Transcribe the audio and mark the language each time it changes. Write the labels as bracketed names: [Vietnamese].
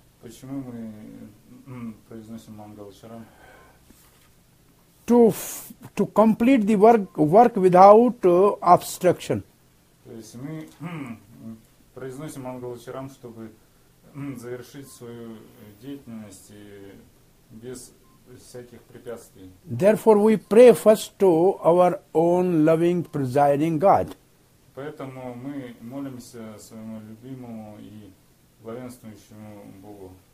[Russian] Почему мы произносим Мангалачаран? [English] To complete the work without obstruction. [Russian] То есть мы произносим Мангалачаран, чтобы завершить свою деятельность без всяких препятствий. [English] Therefore we pray first to our own loving presiding God. [Russian] Поэтому мы молимся своему любимому и благовествующему Богу.